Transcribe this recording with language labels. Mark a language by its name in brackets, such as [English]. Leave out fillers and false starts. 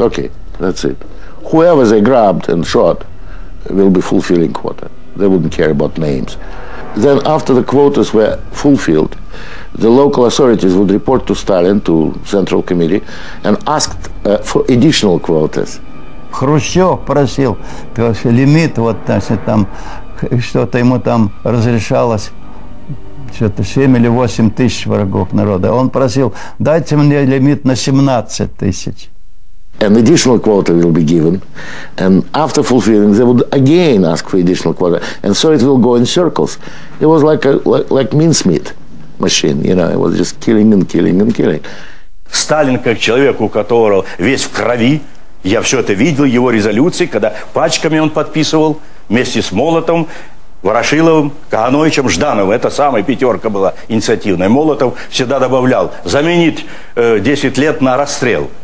[English] Okay, that's it. Whoever they grabbed and shot will be fulfilling quota. They wouldn't care about names. Then after the quotas were fulfilled, the local authorities would report to Stalin, to Central Committee, and asked for additional quotas. [Russian] Хрущев просил, что лимит вот там, что-то ему там разрешалось. Что-то 7 или 8 тысяч врагов народа. Он просил, дайте мне лимит на 17 тысяч. [English] An additional quota will be given. And after fulfilling, they would again ask for additional quota. And so it will go in circles. It was like mincemeat machine, you know. It was just killing and killing and killing. [Russian] Сталин, как человек, у которого весь в крови, я все это видел, его резолюции, когда пачками он подписывал, вместе с Молотом, Ворошиловым, Кагановичем, Ждановым. Это самая пятерка была инициативная. Молотов всегда добавлял, заменить 10 лет на расстрел.